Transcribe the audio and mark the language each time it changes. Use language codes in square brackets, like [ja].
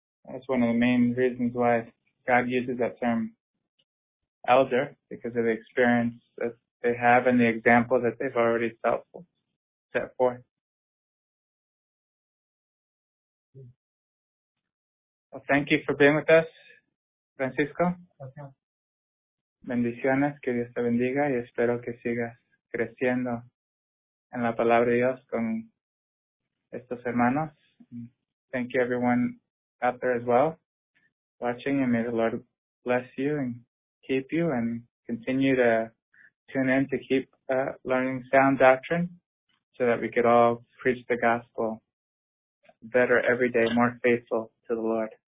[en] That's one of the main reasons why God uses that term elder, because of the experience that they have and the example that they've already set forth. Well, thank you for being with us, Francisco. [es] Gracias. Bendiciones, que Dios te bendiga, y espero que sigas creciendo en la palabra de Dios con estos hermanos. [en] Thank you, everyone out there as well, watching, and may the Lord bless you and keep you and continue to tune in to keep learning sound doctrine so that we could all preach the gospel better every day, more faithful to the Lord.